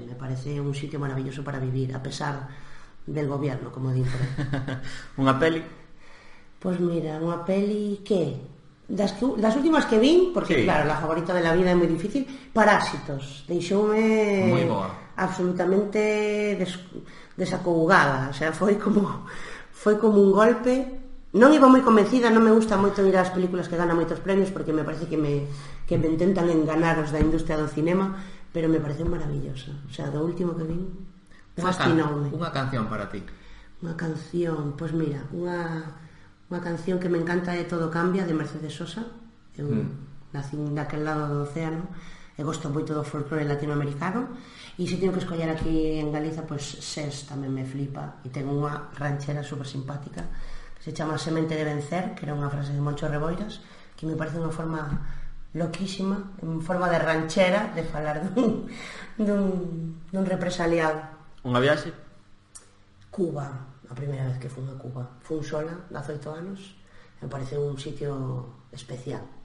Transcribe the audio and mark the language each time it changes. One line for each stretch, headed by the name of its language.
Spanish: Me parece un sitio maravilloso para vivir, a pesar del gobierno,
Galician: como dixo. Unha peli. Pois mira, unha peli que das últimas que vin, porque sí, claro,
Spanish: la favorita de la vida
Galician: é moi difícil, Parásitos. Deixoume absolutamente desacougada, o sea, foi como un golpe. Non iba moi convencida, non me gusta moito ir ás películas que ganan moitos premios porque me parece que me intentan enganar os da industria do cinema, pero me pareceu maravillosa. O sea, do último que vin, fascinoume. Unha canción para ti. Unha canción, pois mira, unha canción que me encanta é Todo Cambia, de Mercedes Sosa. Eu nací daquel lado do océano e gosto moito do folclore latinoamericano. E se teño que escollar aquí en Galiza, pois Sés tamén me flipa. E ten unha ranchera super simpática que se chama Semente de Vencer, que era unha frase de Moncho Reboiras, que me parece unha forma loquísima, en forma de ranchera, de falar dun represaliado. Unha viaxe? Cuba, a primeira vez que fun a Cuba. Fun sola, 18 anos.
Spanish: Me parece un sitio especial.